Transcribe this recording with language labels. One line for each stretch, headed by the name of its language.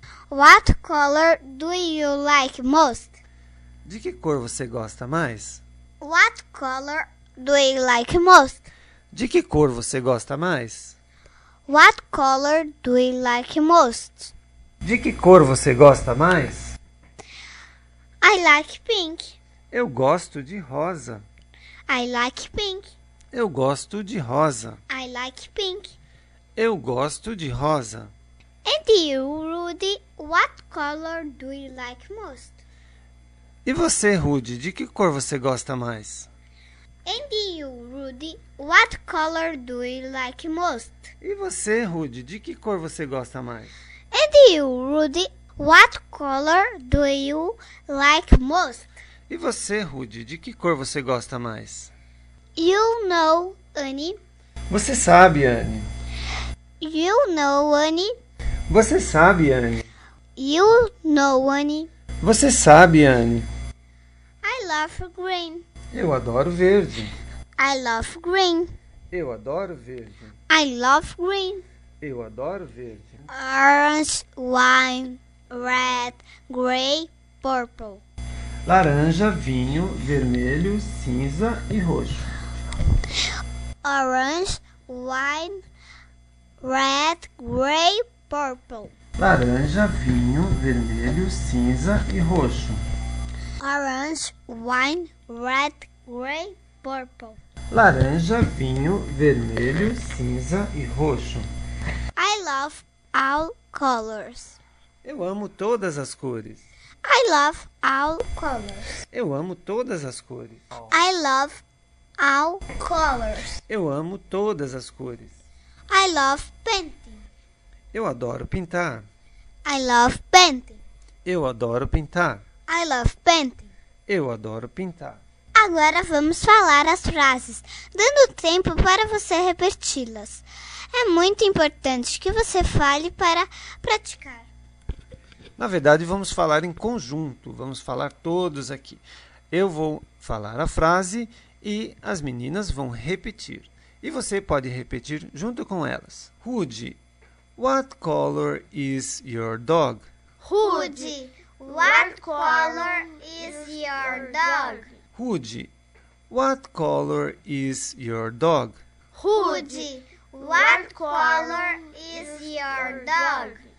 English: What color do you like most?
Portuguese: De que cor você gosta mais?
English: What color do you like most?
Portuguese: De que cor você gosta mais?
English: What color do you like most?
Portuguese: De que cor você gosta mais?
English: I like pink.
Portuguese: Eu gosto de rosa.
English: I like pink.
Portuguese: Eu gosto de rosa.
English: I like pink.
Portuguese: Eu gosto de rosa.
English: And you, Rudy, what color do you like most?
Portuguese: E você, Rudy, de que cor você gosta mais?
English: And you, Rudy, what color do you like most?
Portuguese: E você, Rudy, de que cor você gosta mais?
English: And you, Rudy, what color do you like most?
Portuguese: E você, Rudy, de que cor você gosta mais?
English: You know, Annie.
Portuguese: Você sabe, Annie.
English: You know, Annie.
Portuguese: Você sabe, Annie.
English: You know, Annie.
Portuguese: Você sabe, Annie.
English: I love green.
Portuguese: Eu adoro verde.
English: I love green.
Portuguese: Eu adoro verde.
English: I love green.
Portuguese: Eu adoro verde.
English: Orange, wine, red, gray, purple.
Portuguese: Laranja, vinho, vermelho, cinza e roxo.
English: Orange, wine, red, gray, purple.
Portuguese: Laranja, vinho, vermelho, cinza e roxo.
English: Orange, wine, red, gray, purple.
Portuguese: Laranja, vinho, vermelho, cinza e roxo.
English: I love all colors.
Portuguese: Eu amo todas as cores.
English: I love all colors.
Portuguese: Eu amo todas as cores.
English: I love all colors.
Portuguese: Eu amo todas as cores.
English: I love painting.
Portuguese: Eu adoro pintar.
English: I love painting.
Portuguese: Eu adoro pintar.
English: I love painting.
Portuguese: Eu adoro pintar. Agora vamos falar as frases, dando tempo para você repeti-las. É muito importante que você fale para praticar. Na verdade, vamos falar em conjunto, vamos falar todos aqui. Eu vou falar a frase e as meninas vão repetir. E você pode repetir junto com elas.
English: Rudy, what color is your dog? Rudy, what color is your dog? Rudy, what color is your dog? Rudy, what color is your dog?